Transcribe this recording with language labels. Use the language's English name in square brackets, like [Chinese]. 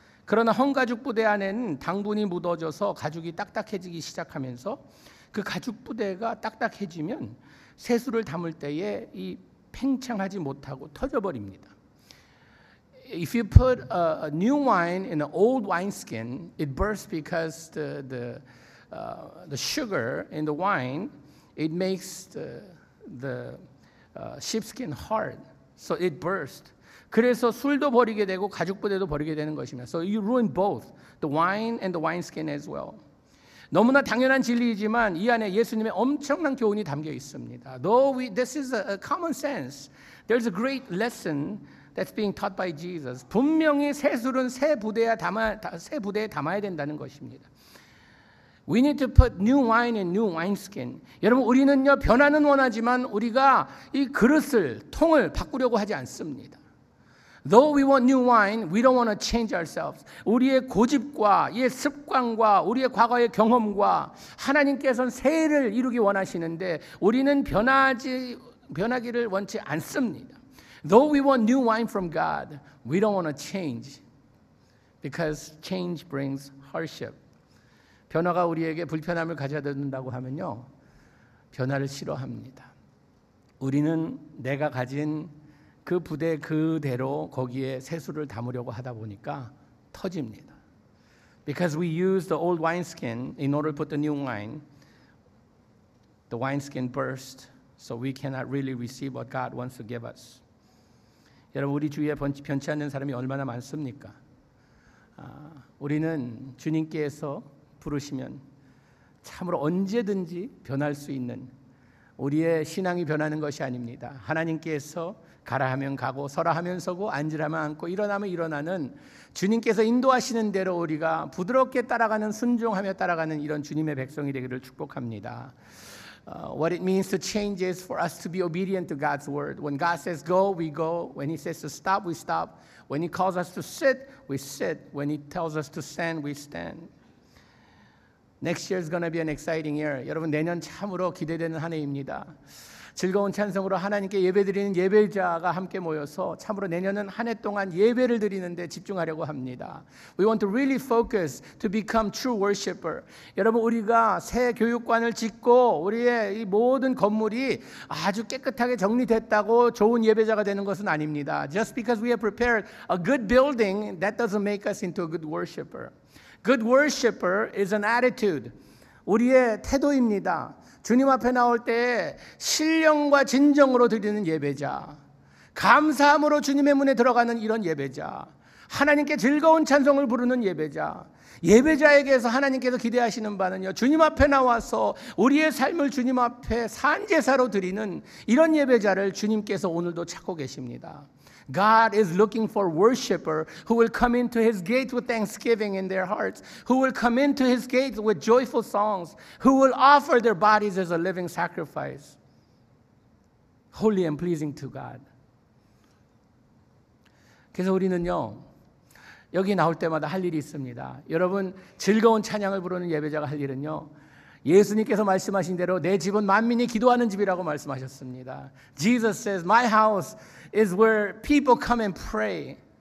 [Korean] 그러나 헌가죽 부대 안에는 당분이 묻어져서 가죽이 딱딱해지기 시작하면서 그 가죽 부대가 딱딱해지면 새술을 담을 때에 이 팽창하지 못하고 터져버립니다. [English] If you put a new wine in an old wineskin, it bursts because the sugar in the wine, it makes the sheepskin hard, so it bursts. [Korean] 그래서 술도 버리게 되고 가죽 부대도 버리게 되는 것입니다. [English] So you ruin both the wine and the wineskin as well. [Korean] 너무나 당연한 진리이지만 이 안에 예수님의 엄청난 교훈이 담겨 있습니다. [English] Though this is a common sense, there's a great lesson that's being taught by Jesus. [Korean] 분명히 새 술은 새 부대에 담아야 된다는 것입니다. [English] We need to put new wine in new wineskin. [Korean] 여러분 우리는요 변화는 원하지만 우리가 이 그릇을 통을 바꾸려고 하지 않습니다. [English] Though we want new wine, we don't want to change ourselves. [Korean] 우리의 고집과 이 습관과 우리의 과거의 경험과 하나님께서는 새해를 이루기 원하시는데 우리는 변하기를 원치 않습니다. [English] Though we want new wine from God, we don't want to change because change brings hardship. [Korean] 변화가 우리에게 불편함을 가져다준다고 하면요, 변화를 싫어합니다. 우리는 내가 가진 그 부대 그대로 거기에 새술을 담으려고 하다 보니까 터집니다. [English] Because we use the old wineskin in order to put the new wine, the wineskin burst So we cannot really receive what God wants to give us. [Korean] 여러분, 우리 주위에 변치 않는 사람이 얼마나 많습니까? 우리는 주님께서 부르시면 참으로 언제든지 변할 수 있는, 우리의 신앙이 변하는 것이 아닙니다. 하나님께서 가라 하면 가고 서라 하면 서고 앉으라 하면 앉고 일어나면 일어나는, 주님께서 인도하시는 대로 우리가 부드럽게 따라가는, 순종하며 따라가는 이런 주님의 백성이 되기를 축복합니다. [English] What it means to change is for us to be obedient to God's word. When God says go, we go. When he says to stop, we stop. When he calls us to sit, we sit. When he tells us to stand, we stand. Next year is going to be an exciting year. [Korean] 여러분, 내년 참으로 기대되는 한 해입니다. 즐거운 찬송으로 하나님께 예배드리는 예배자가 함께 모여서 참으로 내년은 한 해 동안 예배를 드리는데 집중하려고 합니다. [English] We want to really focus to become true worshipper. [Korean] 여러분, 우리가 새 교육관을 짓고 우리의 이 모든 건물이 아주 깨끗하게 정리됐다고 좋은 예배자가 되는 것은 아닙니다. [English] Just because we have prepared a good building, that doesn't make us into a good worshipper. Good worshipper is an attitude. [Korean] 우리의 태도입니다. 주님 앞에 나올 때 신령과 진정으로 드리는 예배자, 감사함으로 주님의 문에 들어가는 이런 예배자, 하나님께 즐거운 찬송을 부르는 예배자, 예배자에게서 하나님께서 기대하시는 바는요, 주님 앞에 나와서 우리의 삶을 주님 앞에 산제사로 드리는 이런 예배자를 주님께서 오늘도 찾고 계십니다. [English] God is looking for worshipper who will come into his gate with thanksgiving in their hearts, who will come into his gate with joyful songs, who will offer their bodies as a living sacrifice, holy and pleasing to God. [Korean] 그래서 우리는요, 여기 나올 때마다 할 일이 있습니다. 여러분, 즐거운 찬양을 부르는 예배자가 할 일은요, 예수님께서 말씀하신 대로 내 집은 만민이 기도하는 집이라고 말씀하셨습니다. [English] Jesus says, My house is where people come and pray.